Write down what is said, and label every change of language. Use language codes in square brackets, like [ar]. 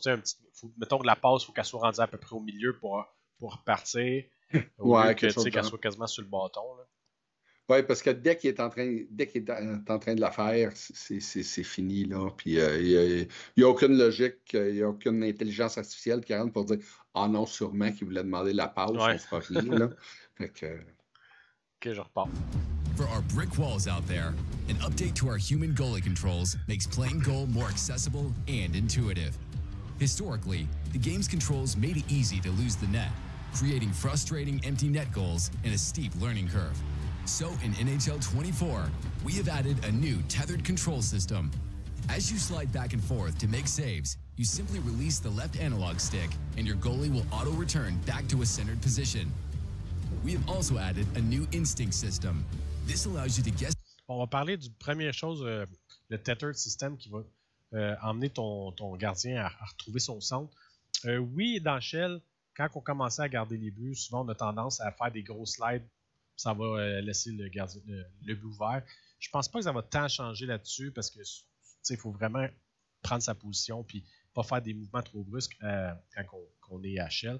[fr] Tu sais, mettons que la passe, il faut qu'elle soit rendue à peu près au milieu pour repartir, qu'elle soit quasiment sur le bâton, là. Oui, parce que dès qu'il est en train de la faire, c'est fini, là. Puis il n'y a aucune logique, il n'y a aucune intelligence artificielle qui rentre pour dire « Ah non, sûrement qu'il voulait demander la pause, ouais. On fera rien, là. » Fait que... OK, je repars. [en] For our brick walls out there, an update to our human goalie controls makes playing goal more accessible and intuitive. Historically, the game's controls made it easy to lose the net. creating frustrating empty net goals and a steep learning curve. So in NHL 24, we have added a new tethered control system. As you slide back and forth to make saves, you simply release the left analog stick and your goalie will auto-return back to a centered position. We have also added a new instinct system. This allows you to guess... [fr] On va parler du première chose, le tethered system qui va emmener ton gardien à retrouver son centre. Oui, dans Shell, quand on commençait à garder les buts, souvent on a tendance à faire des gros slides. Ça va laisser le gardien le but ouvert. Je pense pas que ça va tant changer là-dessus parce que il faut vraiment prendre sa position et pas faire des mouvements trop brusques quand on est à Shell.